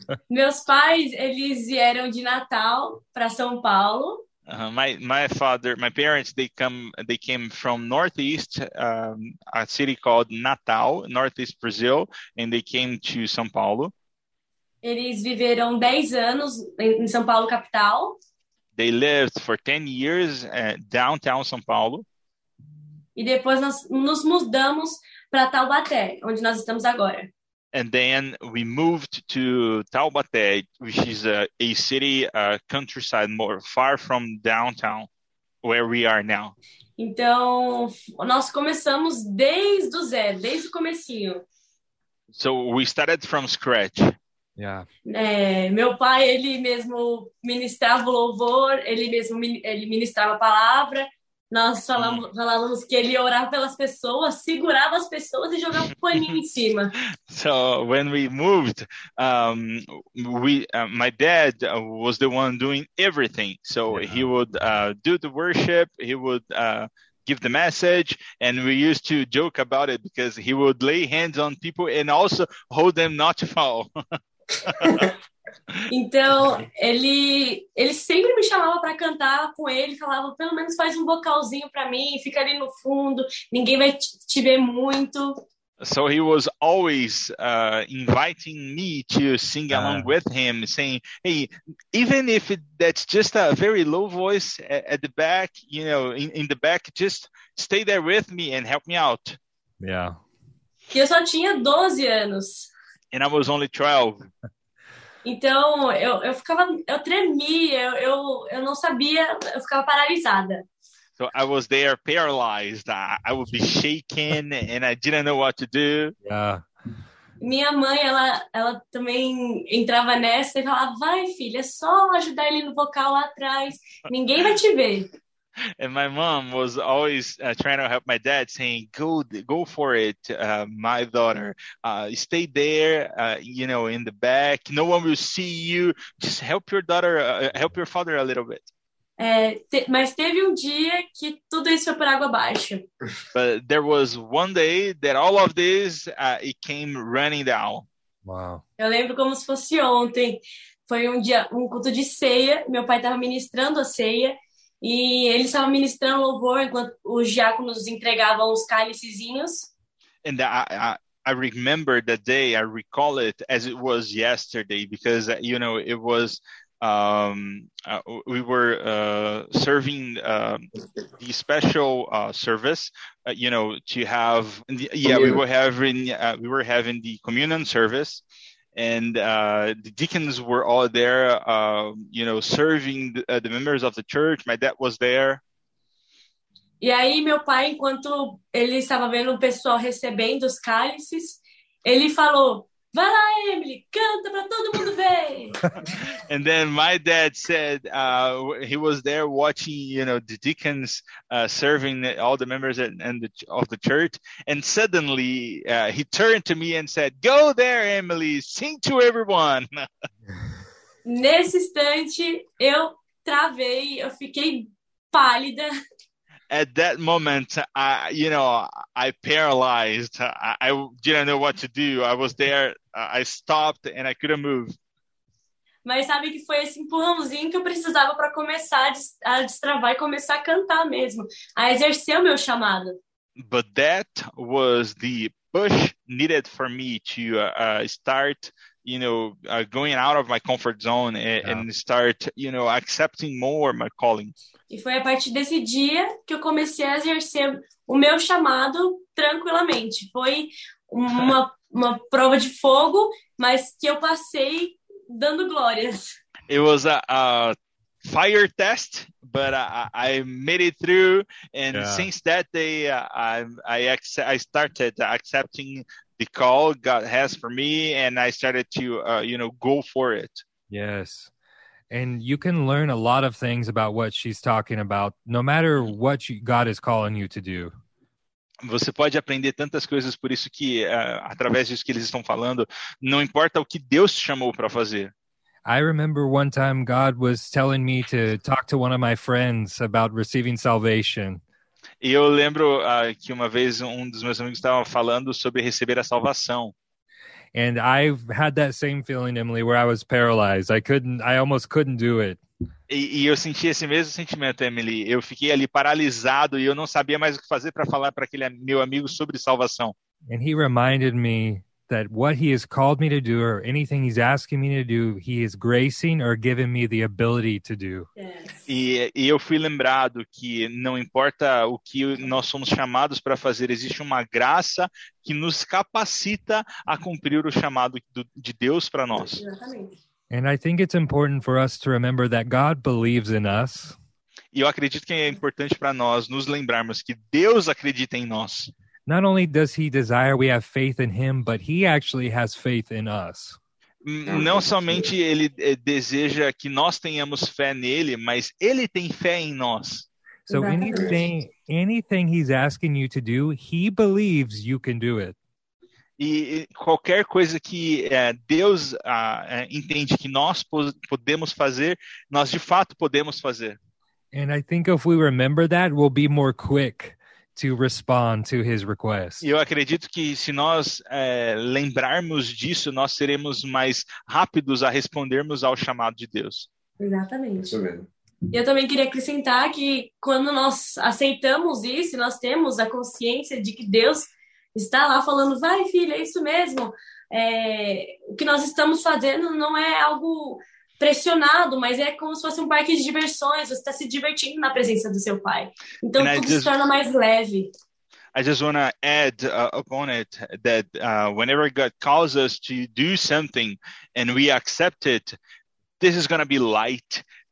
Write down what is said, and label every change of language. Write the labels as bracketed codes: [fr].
[pt] Meus pais, eles vieram de Natal para São Paulo. [en] My parents, they came from northeast, a city called Natal, northeast Brazil, and they came to São Paulo. [pt] Eles viveram 10 anos em São Paulo, capital. [en] They lived for 10 years at downtown São Paulo. [pt] E depois nós nos mudamos para Taubaté, onde nós estamos agora. [en] And then we moved to Taubaté, which is a city, countryside, more far from downtown, where we are now. [pt] Então, nós começamos desde o zero, desde o comecinho. [en] So we started from scratch. [pt] Meu pai, ele mesmo ministrava o louvor, ele ministrava a palavra. Nós falávamos que ele orava pelas pessoas, segurava as pessoas e jogava um paninho em cima. [en] So when we moved, my dad was the one doing everything. So he would do the worship, he would give the message. And we used to joke about it because he would lay hands on people and also hold them not to fall. [pt] Então, ele sempre me chamava para cantar com ele, falava, pelo menos faz vocalzinho para mim, fica ali no fundo, ninguém vai te ver muito. [en] So he was always inviting me to sing along with him, saying, hey, even if that's just a very low voice at the back, you know, in the back, just stay there with me and help me out. Yeah. [pt] E eu só tinha 12 anos. [en] And I was only 12. [pt] Então, eu ficava, eu tremia, eu não sabia, eu ficava paralisada. [en] So I was there paralyzed. I would be shaking and I didn't know what to do. Yeah. [pt] Minha mãe, ela também entrava nessa e falava, vai filha, é só ajudar ele no vocal lá atrás, ninguém vai te ver. [en] And my mom was always trying to help my dad, saying, go for it, my daughter. Stay there, you know, in the back. No one will see you. Just help your daughter, help your father a little bit. [pt] Mas teve dia que tudo isso foi por água abaixo. [en] But there was one day that all of this, it came running down. Wow. [pt] Eu lembro como se fosse ontem. Foi dia, culto de ceia. Meu pai estava ministrando a ceia. E ele estava ministrando louvor enquanto os diáconos entregavam os cálicezinhos. [en] And I remember the day, I recall it as it was yesterday, because, you know, it was, we were serving the special service, you know, to have, yeah, we were having the communion service. And the deacons were all there, you know, serving the members of the church. My dad was there. [pt] E aí, meu pai, enquanto ele estava vendo o pessoal recebendo os cálices, ele falou, vai lá, Emily, canta para todo mundo ver. [en] And then my dad said, he was there watching, you know, the deacons serving all the members of the church. And suddenly he turned to me and said, go there, Emily, sing to everyone. [pt] Nesse instante, eu travei, eu fiquei pálida. [en] At that moment, I paralyzed. I didn't know what to do. I was there. I stopped and I couldn't move. [pt] Mas sabe que foi esse empurrãozinho que eu precisava para começar a destravar e começar a cantar mesmo, a exercer o meu chamado. [en] But that was the push needed for me to start, you know, going out of my comfort zone and start, you know, accepting more my calling. [pt] E foi a partir desse dia que eu comecei a exercer o meu chamado tranquilamente. Foi uma prova de fogo, mas que eu passei dando glórias. [en] It was a fire test, but I made it through. And since that day, I started accepting the call God has for me, and I started to, you know, go for it. Yes. And you can learn a lot of things about what she's talking about, no matter what God is calling you to do. [pt] Você pode aprender tantas coisas por isso que, através disso que eles estão falando, não importa o que Deus te chamou para fazer. [en] I remember one time God was telling me to talk to one of my friends about receiving salvation. [pt] E eu lembro que uma vez dos meus amigos estava falando sobre receber a salvação. [en] And I've had that same feeling, Emily, where I was paralyzed. I almost couldn't do it. [pt] E eu senti esse mesmo sentimento, Emily. Eu fiquei ali paralisado e eu não sabia mais o que fazer para falar para aquele meu amigo sobre salvação. [en] And he reminded me that what he has called me to do or anything he's asking me to do, he is gracing or giving me the ability to do. Yes. [pt] E eu fui lembrado que não importa o que nós somos chamados para fazer, existe uma graça que nos capacita a cumprir o chamado de Deus para nós. Exatamente. [en] And I think it's important for us to remember that God believes in us. [pt] E eu acredito que é importante para nós nos lembrarmos que Deus acredita em nós. [en] Not only does he desire we have faith in him, but he actually has faith in us. [pt] Não somente ele deseja que nós tenhamos fé nele, mas ele tem fé em nós. [en] So anything he's asking you to do, he believes you can do it. [pt] E qualquer coisa que Deus entende que nós podemos fazer, nós de fato podemos fazer. [en] And I think if we remember that, we'll be more quick to respond to his request. [pt] Eu acredito que se nós lembrarmos disso, nós seremos mais rápidos a respondermos ao chamado de Deus. Exatamente. Isso mesmo. Eu também queria acrescentar que quando nós aceitamos isso, nós temos a consciência de que Deus está lá falando, vai filha, é isso mesmo. É, o que nós estamos fazendo não é algo pressionado, mas é como se fosse um parque de diversões, você está se divertindo na presença do seu pai. Então [en] and [pt] tudo se torna mais leve. [en] I just want to add upon it that whenever God calls us to do something and we accept it, this is going to be light.